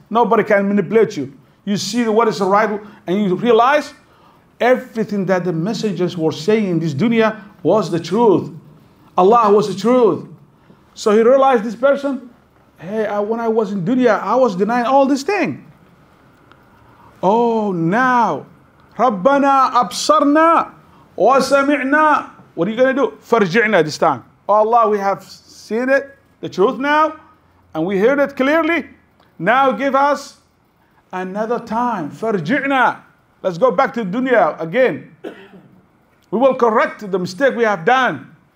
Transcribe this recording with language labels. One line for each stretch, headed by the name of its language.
English: Nobody can manipulate you. You see what is right and you realize everything that the messengers were saying in this dunya was the truth. Allah was the truth. So he realized, this person, hey, when I was in dunya, I was denying all this thing. Oh, now,
Arabic: رَبَّنَا أَبْصَرْنَا وَسَمِعْنَا.
English: What are you going to do?
Arabic: فَرْجِعْنَا
English: this time. Oh Allah, we have seen it, the truth now, and we heard it clearly. Now give us another time.
Arabic: فَرْجِعْنَا.
English: Let's go back to dunya again. We will correct the mistake we have done.